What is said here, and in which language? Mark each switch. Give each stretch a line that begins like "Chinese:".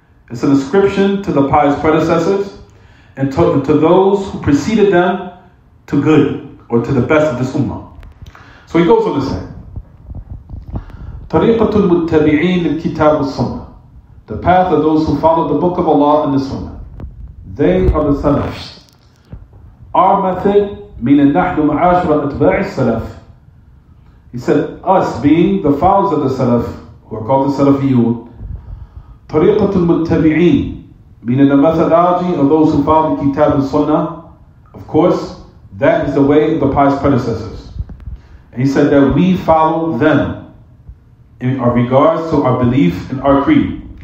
English: It's an ascription to the pious predecessors and to those who preceded them to good or to the best of this ummah. So he goes on to say,
Arabic: طريقة المتبعين للكتاب والسنة.
English: The path of those who follow the Book of Allah and the Sunnah. They are the Salaf. Our method, meaning
Arabic: نحن معاشر أتباع السلف.
English: He said, us being the followers of the Salaf, who are called the Salafiyun.
Arabic: طريقة المتبعين,
English: meaning the methodology of those who follow the Kitab and Sunnah. Of course, that is the way of the pious predecessors. And he said that we follow them in our regards to our belief and our creed.